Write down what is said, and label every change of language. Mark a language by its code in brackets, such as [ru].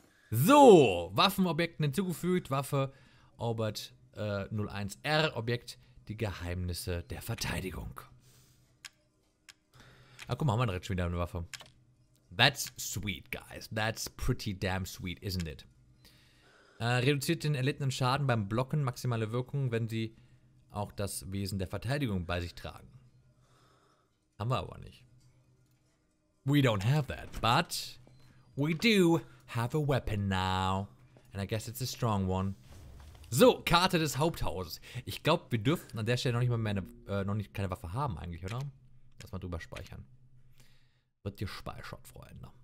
[de] So, Waffenobjekten hinzugefügt, Waffe Orbert 01R, Objekt die Geheimnisse der Verteidigung. Ah, guck mal, haben wir direkt schon wieder eine Waffe. [en] That's sweet, guys. That's pretty damn sweet, isn't it? [de] Reduziert den erlittenen Schaden beim Blocken maximale Wirkung, wenn sie auch das Wesen der Verteidigung bei sich tragen. Haben wir aber nicht. [en] We don't have that, but we do have a weapon now. And I guess it's a strong one. [de] So, Karte des Haupthauses. Ich glaube, wir dürften an der Stelle noch nicht mal mehr keine Waffe haben eigentlich, oder? Lass mal drüber speichern. Wird gespeichert, Freunde.